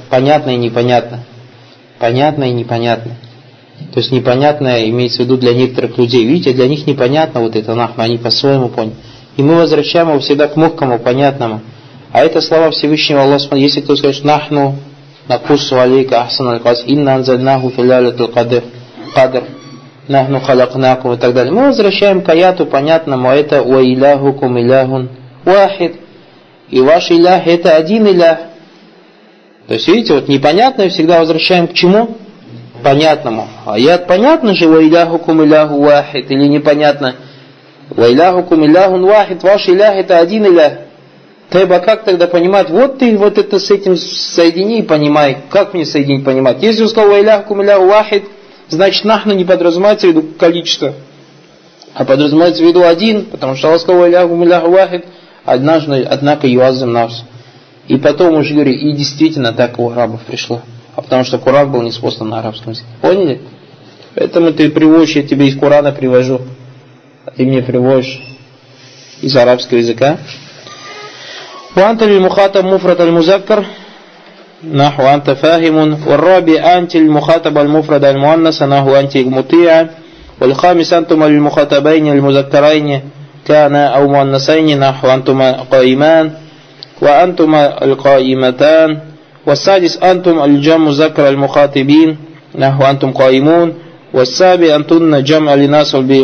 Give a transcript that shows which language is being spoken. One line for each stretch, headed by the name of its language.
Russian: Понятно и непонятно. Понятно и непонятно. То есть непонятное имеется в виду для некоторых людей. Видите, для них непонятно вот это нахма, они по-своему поняли. И мы возвращаем его всегда к мухкому, понятному. А это слова Всевышнего Аллаха. Если кто скажет нахну,
Arabic: نقص عليك أحسن القصص إن أنزلناه في ليلة القدر قدر نحن خلقناكم وتك
Russian: далее. Мы возвращаем к аяту понятному, это
Arabic: وإلهكم إله واحد,
Russian: и ваш Илях это один Илях. То есть видите, вот непонятное всегда возвращаем к чему? Понятному. Аят понятно же,
Arabic: وإلهكم إله واحد,
Russian: или непонятно, وإلهكم إله واحد, ваш Илях это один Илях. Теба, как тогда понимать? Вот ты вот это с этим соедини и понимай. Как мне соединить, понимать? Если он сказал
Arabic: «Вайляхкум илляху вахид»,
Russian: значит «нахну» не подразумевается в виду количество, а подразумевается в виду один, потому что Аллах сказал «Вайляхкум илляху вахид», однако «Юазим нас». И потом уже говорит, и действительно так у арабов пришло. А потому что Куран был не способен на арабском языке. Поняли? Поэтому ты приводишь, я тебе из Курана привожу, а ты мне приводишь из арабского языка.
Arabic: وأنت المخاطب مفرد المذكر نحو أنت فاهم والرابع أنت المخاطب المفرد المؤنث نحو أنت مطيع والخامس أنتما المخاطبين المذكرين كان أو مؤنثين نحو أنتما قائمان وأنتما القائمتان والسادس أنتم الجمع مذكر المخاطبين نحو أنتم قائمون والسابع أنتن جمع الناس